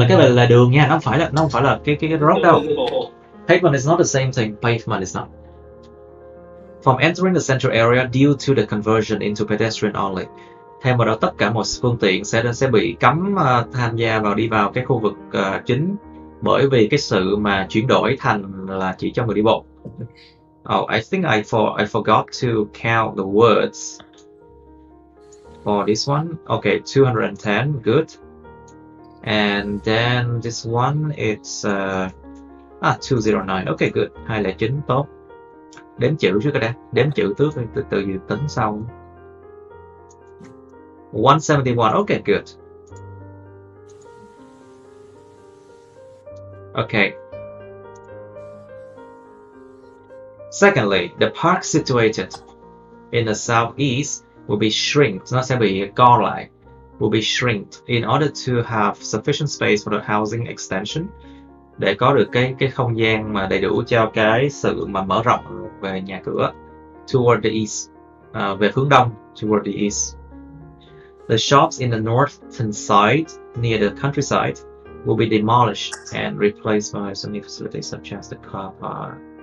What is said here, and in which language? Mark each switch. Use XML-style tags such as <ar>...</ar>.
<vi>là cái là đường nha, nó không phải là cái road đâu.</vi> <en>Pavement is not the same thing. Pavement is not. From entering the central area due to the conversion into pedestrian only.</en> <vi>Thêm vào đó tất cả mọi phương tiện sẽ bị cấm tham gia vào đi vào cái khu vực chính bởi vì cái sự mà chuyển đổi thành là chỉ cho người đi bộ.</vi> <en>Oh, I think I forgot to count the words for this one. Okay, 210, good. And then this one, it's 209. Okay, good. 209,</en> <vi>tốt. Đếm chữ trước rồi đã. Đếm chữ trước từ từ từ tính xong.</vi> <en>171. Okay, good. Okay. Secondly, the park situated in the southeast will be shrinked.</en> <vi>Nó sẽ bị co lại.</vi> <en>Will be shrinked in order to have sufficient space for the housing extension.</en> <vi>Để có được cái không gian mà đầy đủ cho cái sự mà mở rộng về nhà cửa.</vi> <en>Toward the east,</en> <vi>về hướng đông,</vi> <en>toward the east. The shops in the northern side, near the countryside, will be demolished and replaced by some new facilities such as the car park.</en>